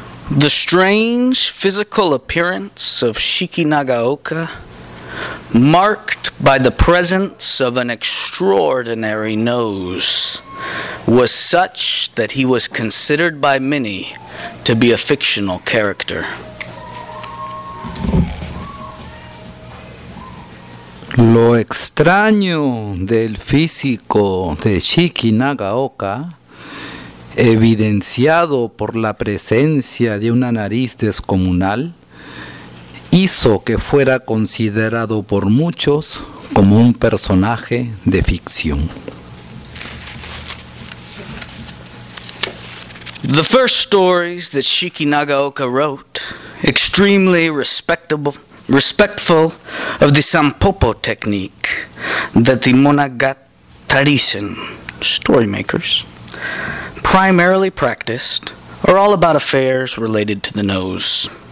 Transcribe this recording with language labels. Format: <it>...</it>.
<en>The strange physical appearance of Shiki Nagaoka, marked by the presence of an extraordinary nose, was such that he was considered by many to be a fictional character.</en> <es>Lo extraño del físico de Shiki Nagaoka, evidenciado por la presencia de una nariz descomunal, hizo que fuera considerado por muchos como un personaje de ficción.</es> <en>The first stories that Shiki Nagaoka wrote, extremely respectful of the Sanpopo technique that the Monogatari-sen story makers primarily practiced, are all about affairs related to the nose.</en>